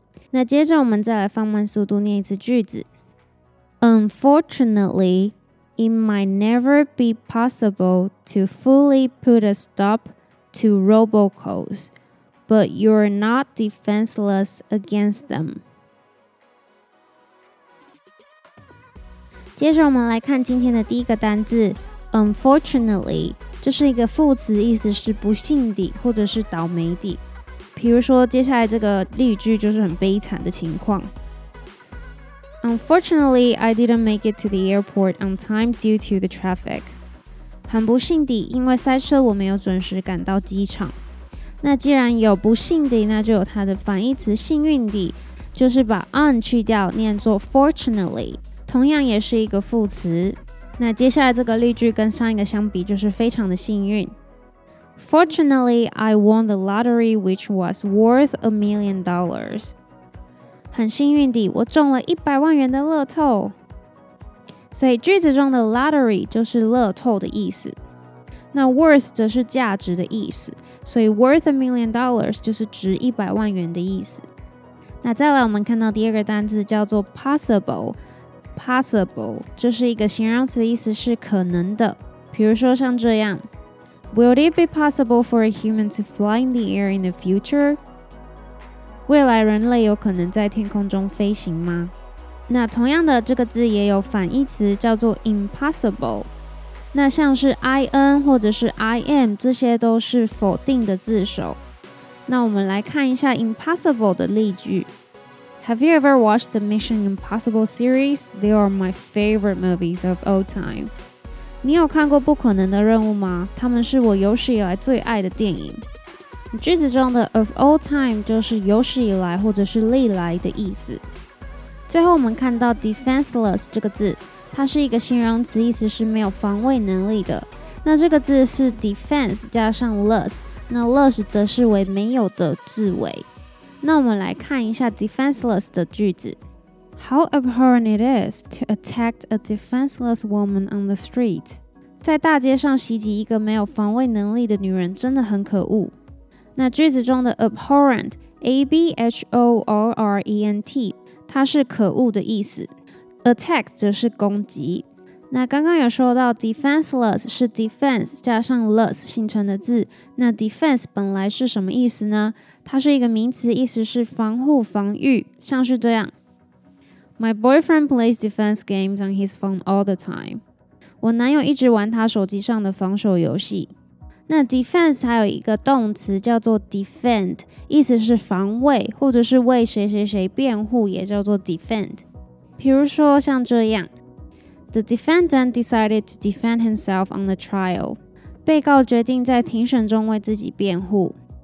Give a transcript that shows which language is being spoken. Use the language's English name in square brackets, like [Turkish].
[Chinese] 那接着我们再来放慢速度念一次句子。 [English] unfortunatelyIt might never be possible to fully put a stop to robocalls, but you're not defenseless against them. [Chinese] 接着我们来看今天的第一个单字 unfortunately， 这是一个副词，意思是不幸地或者是倒霉地。比如说接下来这个例句就是很悲惨的情况。 [English] Unfortunately, I didn't make it to the airport on time due to the traffic. [Chinese] 很不幸地，因为塞车，我没有准时赶到机场。那既然有不幸地，那就有它的反义词幸运地，就是把 un 去掉，念作 fortunately， 同样也是一个副词。那接下来这个例句跟上一个相比，就是非常的幸运。 [English] Fortunately, I won the lottery, which was worth $1 million. [Chinese] 很幸运地，我中了100万元的乐透。所以句子中的 lottery 就是乐透的意思，那 worth 则是价值的意思，所以 [English] worth $1 million [Chinese] 就是值100万元的意思。那再来我们看到第二个单字叫做 possible， 这是一个形容词，意思是可能的。比如说像这样， [English] Will it be possible for a human to fly in the air in the future? [Chinese] 未来人类有可能在天空中飞行吗？那同样的这个字也有反义词，叫做 impossible。那像是 in 或者是 im， 这些都是否定的字首。那我们来看一下 Impossible 的例句。 [English] Have you ever watched the Mission Impossible series? They are my favorite movies of all time. [Chinese] 你有看过不可能的任务吗？他们是我有史以来最爱的电影。句子中的 [English] of all time [Chinese] 就是有史以来或者是历来的意思。最后我们看到 defenseless 这个字，它是一个形容词，意思是没有防卫能力的。那这个字是 defense 加上 less， 那 less 则是为没有的字尾。那我们来看一下 defenseless 的句子。 [English] How abhorrent it is to attack a defenseless woman on the street. [Chinese] 在大街上袭击一个没有防卫能力的女人真的很可恶。那句子中的 abhorrent, A-B-H-O-R-R-E-N-T, 它是可恶的意思。 Attack 则是攻击。那刚刚有说到 defenseless 是 defense 加上 less 形成的字，那 defense 本来是什么意思呢？它是一个名词，意思是防护、防御，像是这样。 [English] My boyfriend plays defense games on his phone all the time. [Chinese] 我男友一直玩他手机上的防守游戏。那 defense 还有一个动词叫做 defend， 意思是防卫或者是为谁谁谁辩护，也叫做 defend。比如说像这样。 [English] The defendant decided to defend himself on the trial. [Chinese] 被告决定在庭审中为自己辩护。